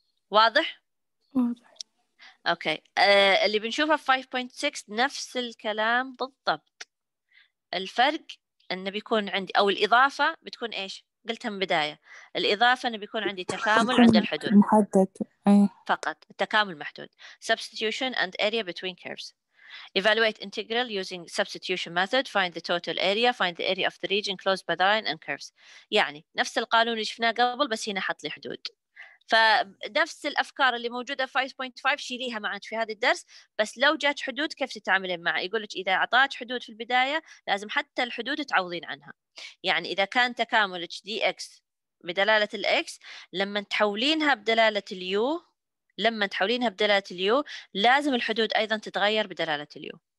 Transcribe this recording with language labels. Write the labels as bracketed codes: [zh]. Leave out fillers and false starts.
[ar] واضح؟ واضح. أوكي. اللي بنشوفها في 5.6 نفس الكلام بالضبط. الفرق أنه بيكون عندي أو الإضافة بتكون إيش؟ قلتها من بداية. الإضافة أنه بيكون عندي تكامل عند الحدود. محدد. فقط. التكامل محدود. [en] Substitution and area between curves. Evaluate integral using substitution method. Find the total area. Find the area of the region closed by the line and curves. [ar] يعني نفس القانون اللي شفناه قبل بس هنا حط لي حدود. فنفس الأفكار اللي موجودة 5.5 شيليها معك في هذا الدرس، بس لو جات حدود كيف تتعاملين معها؟ يقولك إذا أعطاك حدود في البداية لازم حتى الحدود تعوضين عنها. يعني إذا كان تكاملك dx بدلالة الx، لما تحولينها بدلالة اليو، لما تحولينها بدلالة اليو لازم الحدود أيضا تتغير بدلالة اليو.